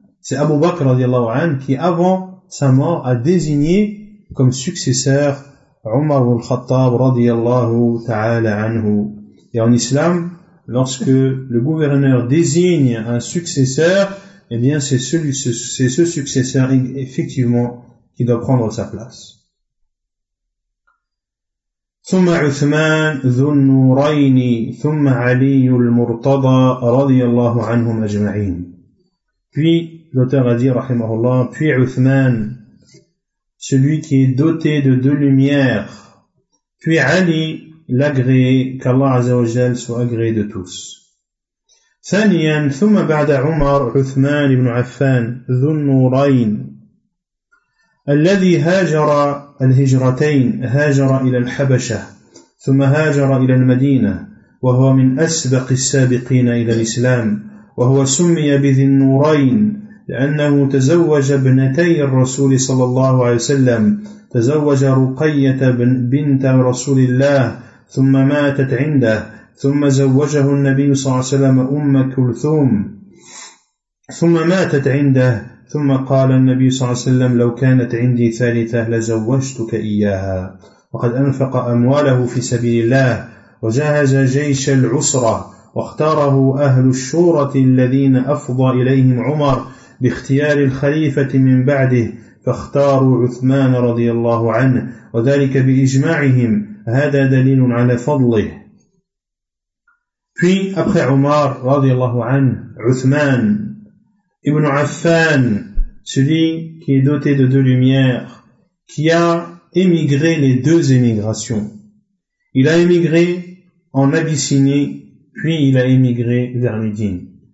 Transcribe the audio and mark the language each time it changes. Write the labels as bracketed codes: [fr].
[fr] C'est Abu Bakr radiallahu anhu qui, avant sa mort, a désigné comme successeur Umar al-Khattab radiallahu ta'ala anhu. Et en islam, lorsque le gouverneur désigne un successeur, eh bien c'est ce successeur effectivement qui doit prendre sa place. [ar] ثم عثمان ذو النورين ثم علي المرتضى رضي الله عنهم أجمعين. [fr] Puis l'auteur a dit رحمه الله, puis عثمان, celui qui est doté de deux lumières, puis علي, l'agréé, qu'Allah عز وجل soit agréé de tous. [ar] ثانيا ثم بعد عمر عثمان بن عفان ذو النورين الذي هاجر الهجرتين, هاجر إلى الحبشة ثم هاجر إلى المدينة, وهو من أسبق السابقين إلى الإسلام, وهو سمي بذي النورين لأنه تزوج ابنتي الرسول صلى الله عليه وسلم, تزوج رقية بنت رسول الله ثم ماتت عنده, ثم زوجه النبي صلى الله عليه وسلم أم كلثوم ثم ماتت عنده، ثم قال النبي صلى الله عليه وسلم: لو كانت عندي ثالثة لزوجتك إياها. وقد أنفق أمواله في سبيل الله، وجهز جيش العسرة، واختاره أهل الشورة الذين أفضى إليهم عمر باختيار الخليفة من بعده، فاختاروا عثمان رضي الله عنه، وذلك بإجماعهم. هذا دليل على فضله. في أخ عمر رضي الله عنه عثمان ابن عفان، [fr] celui qui est doté de deux lumières, qui a émigré les deux émigrations. Il a émigré en Abyssinie, puis il a émigré vers Médine.